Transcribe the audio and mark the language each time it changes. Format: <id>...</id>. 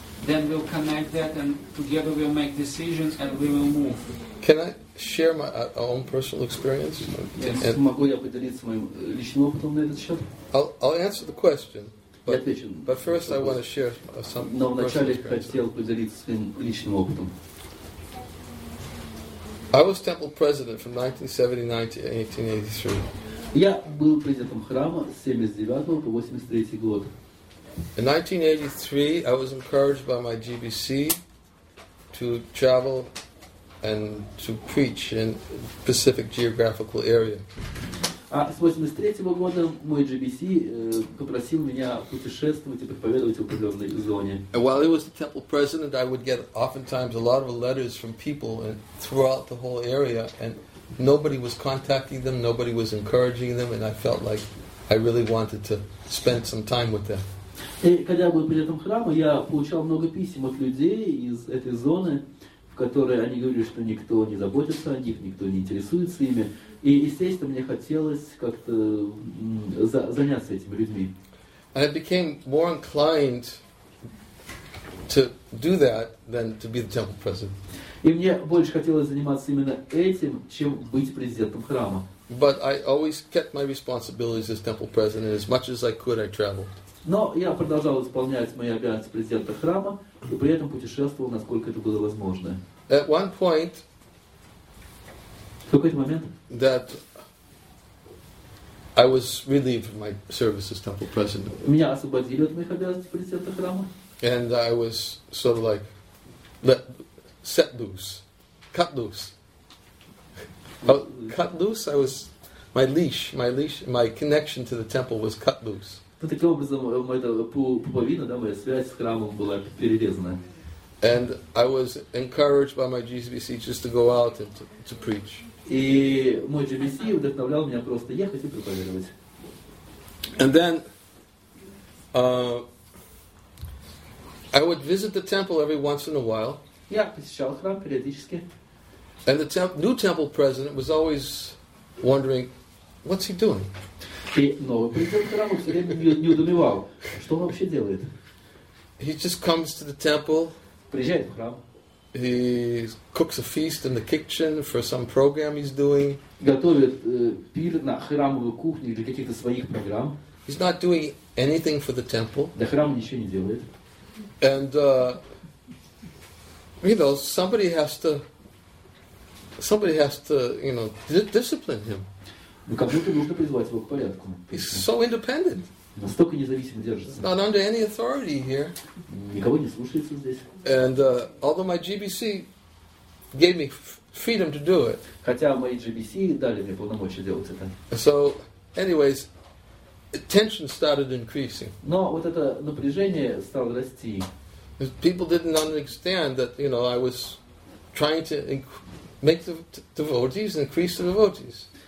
<en>Then we'll connect that, and together we'll make decisions, and we will move. Can I share my own personal experience? Yes.</en> <ru>And могу я поделиться моим личным опытом на этот счет?</ru> <en>I'll answer the question, but first I want to share some personal experience.</en> <ru>Но вначале хотел поделиться своим личным опытом.</ru> <en>I was temple president from 1979 to 1883.</en> <ru>Я был президентом храма с 79 по 83 год.</ru> <en>In 1983, I was encouraged by my GBC to travel and to preach in Pacific geographical area.</en> <ru>А с 83 года мой GBC попросил меня путешествовать и проповедовать в определенной зоне.</ru> <en>And while I was the temple president, I would get oftentimes a lot of letters from people throughout the whole area, and nobody was contacting them, nobody was encouraging them, and I felt like I really wanted to spend some time with them.</en> <ru>И когда был при этом храме, я получал много писем от людей из этой зоны, в которой они говорили, что никто не заботится о них, никто не интересуется ими. И естественно, мне хотелось как-то заняться этими людьми.</ru> <en>And I became more inclined to do that than to be the temple president.</en> <ru>И мне больше хотелось заниматься именно этим, чем быть президентом храма.</ru> <en>But I always kept my responsibilities as temple president as much as I could. I traveled.</en> <ru>Но я продолжал исполнять мои обязанности президента храма и при этом путешествовал, насколько это было возможно.</ru> <en>At one point,</en> <ru>в какой-то момент,</ru> <en>that I was relieved of my service as temple president.</en> <ru>Меня освободили от моих обязанностей президента храма.</ru> <en>And I was sort of like set loose, cut loose. Cut loose. I was my leash, my connection to the temple was cut loose.</en> <ru>Ну таким образом, пуповина, да, моя связь с храмом была перерезана.</ru> <en>And I was encouraged by my GBC just to go out and to preach.</en> <ru>И мой GBC вдохновлял меня просто ехать и проповедовать.</ru> <en>And then I would visit the temple every once in a while.</en> <ru>Я посещал храм периодически.</ru> <en>And the new temple president was always wondering, what's he doing?</en> <ru>И новый президент храма все время не удумывал, что он вообще делает.</ru> <en>He just comes to the temple.</en> <ru>Приезжает в храм.</ru> <en>He cooks a feast in the kitchen for some program he's doing.</en> <ru>Готовит пир на храмовой кухне для каких-то своих программ.</ru> <en>He's not doing anything for the temple.</en> <ru>Для храма ничего не делает.</ru> <en>And you know, somebody has to, you know, discipline him.</en> <ru>Ну кому-то нужно призвать его к порядку.</ru> <en>He's so independent.</en> <ru>Настолько независимо держится.</ru> <en>Not under any authority here.</en> <ru>Никого не слушается здесь.</ru> <en>And although my GBC gave me freedom to do it.</en> <ru>Хотя мои GBC дали мне полномочия делать это.</ru> <en>So, anyways, tension started increasing.</en> <ru>Но вот это напряжение стало расти.</ru> <en>People didn't understand that, you know, I was trying to make the devotees increase the devotees.</en>